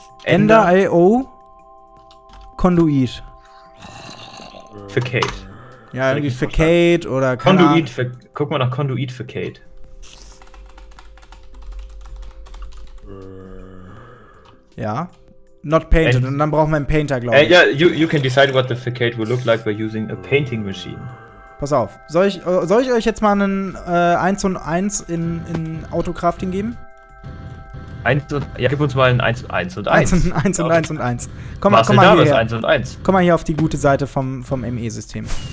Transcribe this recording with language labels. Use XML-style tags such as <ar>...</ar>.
<en>Ender.io Conduit. Facade.</en> <de>Ja, irgendwie Facade oder</de> <en>Conduit.</en> <de>Guck mal nach Conduit Facade.</de> <en>Ja. Not painted.</en> <de>And dann brauchen wir einen Painter, glaube ich.</de> <en>Ja, yeah, you can decide what the Facade will look like by using a painting machine.</en> <de>Pass auf. Soll ich euch jetzt mal einen 1 und 1 in Autocrafting geben? Gib uns mal ein 1 und 1 und 1. 1 und 1 und 1 und 1. Komm mal hier. 1 und 1. Komm mal hier auf die gute Seite vom ME-System.</de>